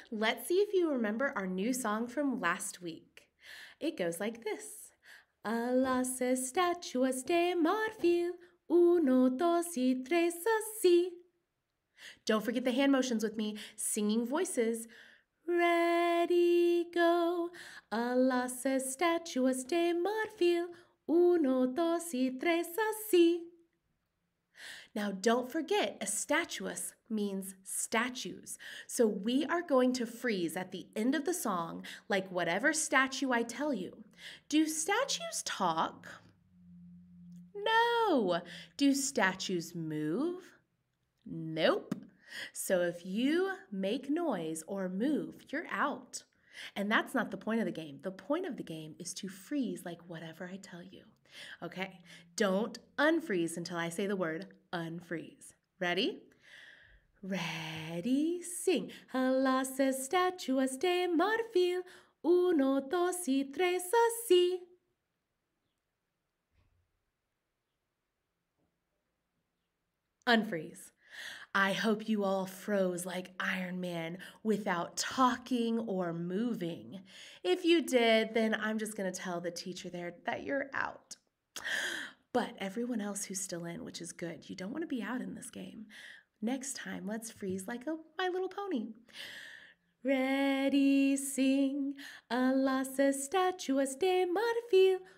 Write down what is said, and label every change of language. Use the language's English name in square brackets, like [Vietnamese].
[English] Let's see if you remember our new song from last week. It goes like this. [Spanish] A las estatuas de marfil, uno, dos, y tres, así. [English] Don't forget the hand motions with me, singing voices. Ready, go. [Spanish] A las estatuas de marfil, uno, dos, y tres, así. [English] Now, don't forget, estatuas means statues. So we are going to freeze at the end of the song, like whatever statue I tell you. Do statues talk? No. Do statues move? Nope. So if you make noise or move, you're out. And that's not the point of the game. The point of the game is to freeze like whatever I tell you. Okay, don't unfreeze until I say the word unfreeze. Ready? Ready, sing. [Spanish] A las estatuas de marfil, uno, dos, y tres, así. [English] Unfreeze. I hope you all froze like Iron Man without talking or moving. If you did, then I'm just going to tell the teacher there that you're out. But everyone else who's still in, which is good, you don't want to be out in this game. Next time, let's freeze like a My Little Pony. Ready, sing. [Spanish] A las estatuas de marfil.